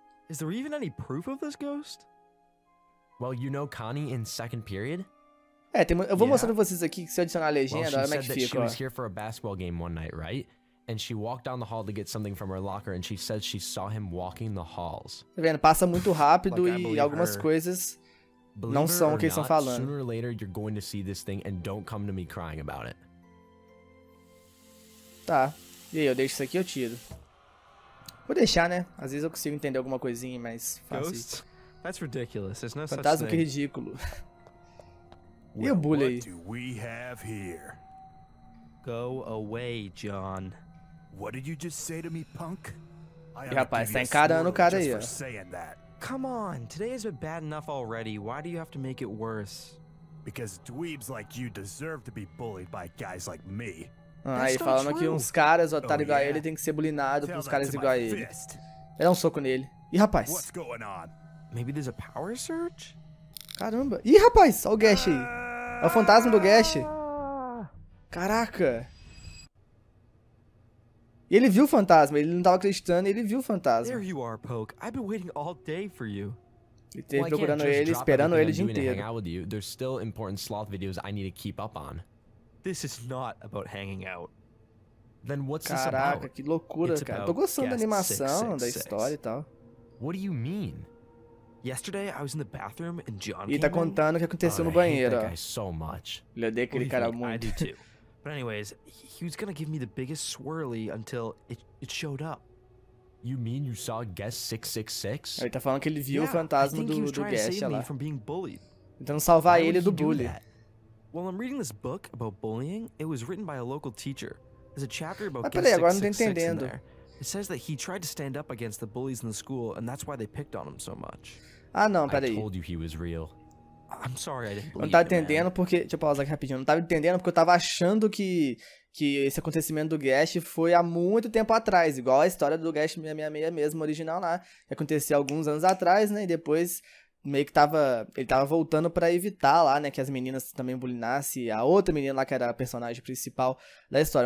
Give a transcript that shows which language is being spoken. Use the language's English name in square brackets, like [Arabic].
[English] Is there even any proof of this ghost? Well, you know Connie in second period? [Portuguese] É, tem, eu vou mostrar pra vocês aqui que se eu adicionar a legenda, olha como é que fica. [English] She was here for a basketball game one night, right? And she walked down the hall to get something from her locker and she said she saw him walking the halls. [Portuguese] Tá vendo? Passa muito rápido e algumas coisas não são o que eles estão falando. [English] Sooner or later you're going to see this thing and don't come to me crying about it. [Portuguese] Tá. E aí, eu deixo isso aqui, eu tiro. Vou deixar, né? Às vezes eu consigo entender alguma coisinha, mas fácil. [English] That's ridiculous. There's no [Portuguese] fantasma, que ridículo. E o bully aí? [English] What do we have here? Go away, John. What did you just say to me, punk? [Portuguese] E rapaz, tá encarando o cara aí, ó. [English] Come on, today has been bad enough already. Why do you have to make it worse? Because dweebs like you deserve to be bullied by guys like me. [Portuguese] Aí falando que uns caras, otário igual a ele, tem que ser bullyingado por uns caras igual a ele. Ele dá um soco nele. Ih, rapaz. [English] What's going on? Maybe there's a power surge? [Portuguese] Caramba. Ih, rapaz, olha o Gash aí. É o fantasma do Gash. Caraca. E ele viu o fantasma, ele não tava acreditando, ele viu o fantasma. [English] There you are, Poke. I've been waiting all day for you. [Portuguese] Ele teve procurando ele, esperando ele o dia inteiro. [English] There's still important sloth videos I need to keep up on. This is not about hanging out. Then what's this about? [Portuguese] Caraca, que loucura, cara. Tô gostando da animação, da história e tal. [English] What do you mean? Yesterday I was in the bathroom and John came. [Portuguese] E tá contando o que aconteceu no banheiro. [English] So much. [Portuguese] Ele odeia aquele cara muito. [English] But anyways, he was gonna give me the biggest swirly until it showed up. You mean you saw guest 666? [Portuguese] Ele tá falando que ele viu o fantasma do guest lá. [English] From being bullied. [Portuguese] Tentando salvar ele do bully. [English] Well, I'm reading this book about bullying. It was written by a local teacher. There's a chapter about guest 666. It says that he tried to stand up against the bullies in the school and that's why they picked on him so much. [Portuguese] Ah, não, peraí. [English] I told you he was real. I'm sorry, I didn't believe. [Portuguese] Não tava entendendo porque, deixa eu pausar aqui rapidinho. Não tava entendendo porque eu tava achando que esse acontecimento do Gash foi há muito tempo atrás, igual a história do Gash 666 mesmo original lá, que aconteceu alguns anos atrás, né? E depois meio que ele tava voltando pra evitar lá, né, que as meninas também bulinassem a outra menina lá, que era a personagem principal da história.